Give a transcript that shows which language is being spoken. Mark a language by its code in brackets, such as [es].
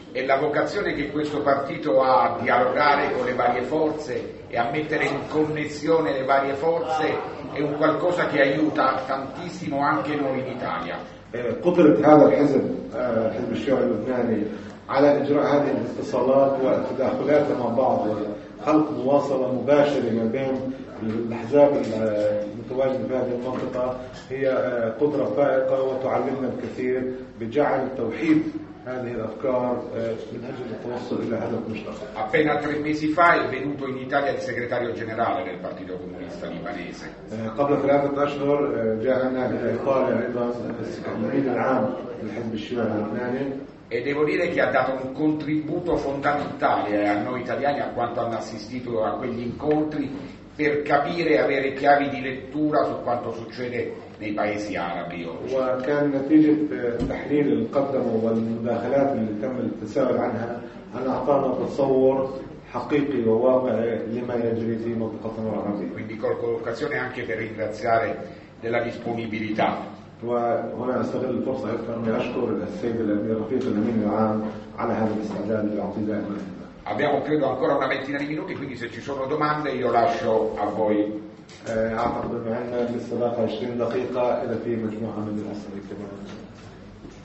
[it] E la vocazione che questo partito ha a dialogare con le varie forze e a mettere in connessione le varie forze è un qualcosa che aiuta tantissimo anche noi in Italia. [ar] قدرة هذا الحزب حزب الشيوعي اللبناني على إجراء هذه الاتصالات والتداخلات مع بعض وخلق مواصلة مباشرة ما بين الأحزاب المتواجدة في هذه المنطقة هي قدرة فائقة وتعلمنا الكثير بجعل التوحيد هذه الأفكار من أجل التوصل إلى هدف مشترك. [it] Appena tre mesi fa è venuto in Italia il segretario generale del Partito Comunista Libanese. [ar] قبل ثلاثة أشهر جاءنا إلى إيطاليا أيضا المدير العام للحزب الشيوعي اللبناني. [it] E devo dire che ha dato un contributo fondamentale a noi italiani a quanto hanno assistito a quegli incontri per capire e avere chiavi di lettura su quanto succede nei paesi arabi oggi. Quindi colgo l'occasione anche per ringraziare della disponibilità. [ar] وهنا استغل الفرصة أكثر من أشكر السيد الأمير رفيق الأمين العام على هذا الاستعداد الاعتداء. [it] Abbiamo credo ancora una ventina di minuti, quindi se ci sono domande io lascio a voi. [ar] أعتقد أن لسه باقي 20 دقيقة إذا في مجموعة من الأسئلة كمان.